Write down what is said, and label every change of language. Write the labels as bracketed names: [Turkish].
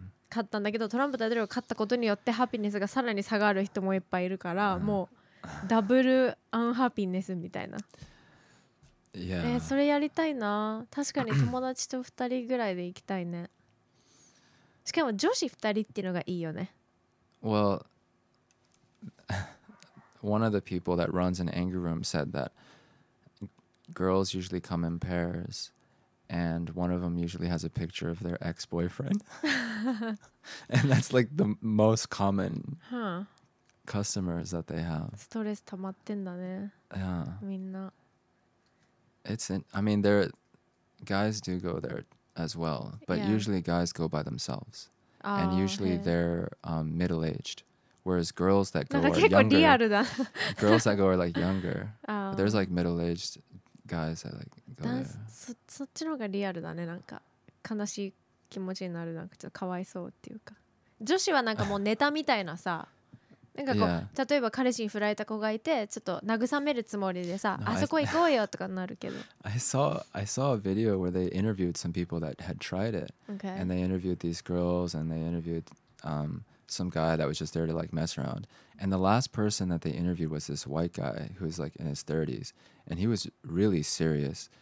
[Japanese] 勝ったんだけどトランプ大統領が勝ったことによってハピネスがさらに下がる人もいっぱいいるから、うん、もうダブルアンハピネスみたいな、 [English] yeah. [Japanese] それやりたいな。確かに友達と2人ぐらいで行きたいね。しかも女子2人っていうのがいいよね。 [English] Well one of the people that runs an anger room said that girls usually come in pairsAnd one of them usually has a picture of their ex-boyfriend. And that's like the most common customers that they have. [Japanese] ストレス溜まってんだね。 [English] Yeah. [Japanese] みんな。 [English] It's in, I mean, there, guys do go there as well. But yeah. usually guys go by themselves. And usually they're middle-aged. Whereas girls that go are younger. [Japanese] 結構リアルだ。 [English] Girls that go are like younger. There's like middle-aged guys that like, [Japanese] そっちの方がリアルだね。なんか悲しい気持ちになる。なんかちょっとかわいそうっていうか、女子はなんかもうネタみたいなさ、なんかこう、 [English] yeah. [Japanese] 例えば彼氏に振られた子がいてちょっと慰めるつもりでさ、no, あそこ行こうよとかになるけど。 [English] I saw a video where they interviewed some people that had tried it、 okay. and they interviewed these girls and they interviewed some guy that was just there to like mess around and the last person that they interviewed was this white guy who was like in his 30s and he was really serious、